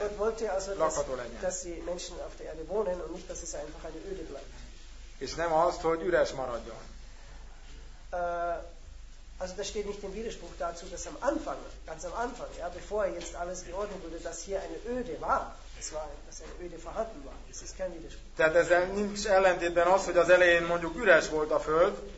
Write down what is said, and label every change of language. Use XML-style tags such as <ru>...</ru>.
<de>Gott wollte also, dass die Menschen auf der Erde wohnen und nicht, dass es einfach eine Öde bleibt.</de> <hu>És nem azt, hogy üres maradjon.</hu> <de>Also das steht nicht im Widerspruch dazu, dass am Anfang, ganz am Anfang, ja, bevor jetzt alles geordnet wurde, dass hier eine Öde war. Dass eine Öde vorhanden war. Das ist kein Widerspruch.</de> <hu>Tehát ezzel nincs ellentétben az, hogy az elején mondjuk üres volt a föld.</hu>